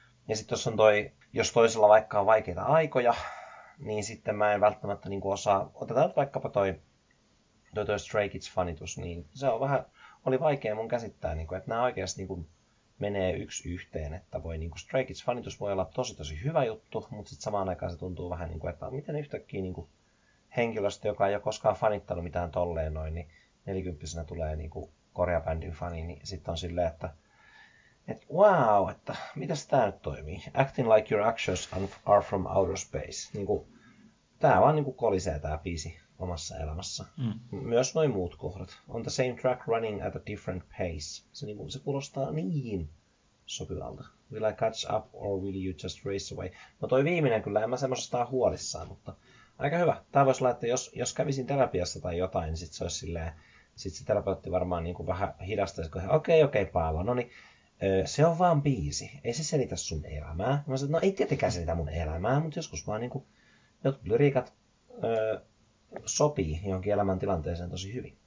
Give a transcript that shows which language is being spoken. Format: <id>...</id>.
<fi>Ja sitten tuossa on toi, jos toisella vaikka on vaikeita aikoja, niin sitten mä en välttämättä niin osaa, otetaan vaikkapa toi Stray Kids-fanitus, niin se on vähän, oli vaikea mun käsittää, niin kuin, että nämä oikeasti niin kuin menee yksi yhteen, että voi niinku Stray Kids -fanitus voi olla tosi tosi hyvä juttu, mutta sitten samaan aikaan se tuntuu vähän niin kuin, että miten yhtäkkiä niinku henkilöstö, joka ei ole koskaan fanittanut mitään tolleen noin, niin 40-vuotiaana tulee niinku koreabändin fani, niin sitten on silleen, että wow, että mitäs tämä nyt toimii?</fi> <en>Acting like your actions are from outer space.</en> <fi>Niinku, tämä vaan niinku kolisee tämä biisi omassa elämässä. Myös noin muut kohdat.</fi> <en>On the same track running at a different pace.</en> <fi>Se kuulostaa niin sopivalta.</fi> <en>Will I catch up or will you just race away?</en> <fi>No toi viimeinen kyllä, en mä semmoisesta ole huolissaan, mutta aika hyvä. Tää voisi olla, että jos kävisin terapiassa tai jotain, niin sit se olisi silleen, sit se terapeutti varmaan niin kuin vähän hidastaisi, kun okei, Paavo, no niin, se on vaan biisi. Ei se selitä sun elämää. Mä sanoin, no ei tietenkään selitä mun elämää, mutta joskus vaan niin kuin jotkut lyriikat sopii jonkin elämäntilanteeseen tosi hyvin.</fi>